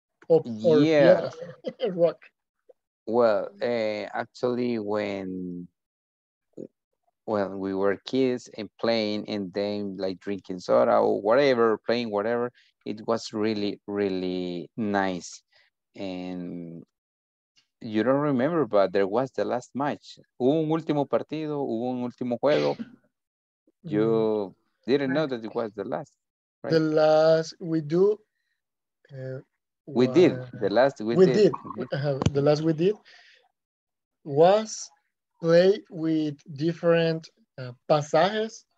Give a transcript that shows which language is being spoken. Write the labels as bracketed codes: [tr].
[en] Well, actually, when when we were kids and playing and then like drinking soda or whatever, playing whatever, it was really, really nice. And you don't remember, but there was the last match. [es] Hubo un último partido, hubo un último juego. [en] You didn't know that it was the last. Right? The last we do. The last we did was play with different pasajes.